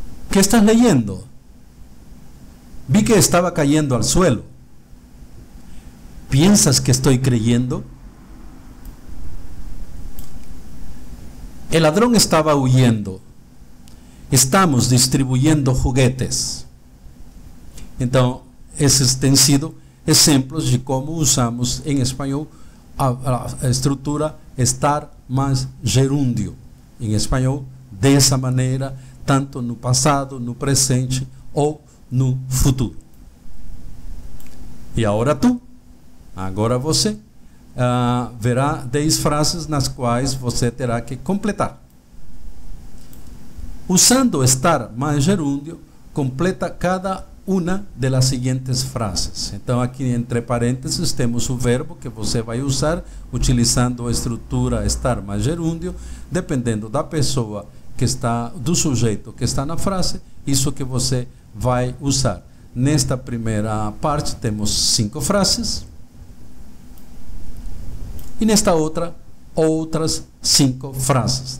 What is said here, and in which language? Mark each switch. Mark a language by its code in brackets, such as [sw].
[es] ¿Qué estás leyendo? Vi que estaba cayendo al suelo. ¿Piensas que estoy creyendo? El ladrón estaba huyendo. estamos distribuyendo juguetes. [pt] Então, esses têm sido exemplos de como usamos em espanhol a estrutura estar mais gerúndio. Em espanhol, dessa maneira, tanto no passado, no presente ou no futuro. E agora tu, agora você, verá 10 frases nas quais você terá que completar. Usando estar mais gerúndio, [es] completa cada una de las siguientes frases. [pt] Então, aqui entre parênteses temos o verbo que você vai usar utilizando a estrutura estar mais gerúndio, dependendo da pessoa que está, do sujeito que está na frase, isso que você vai usar. Nesta primeira parte temos 5 frases e nesta outra, outras 5 frases.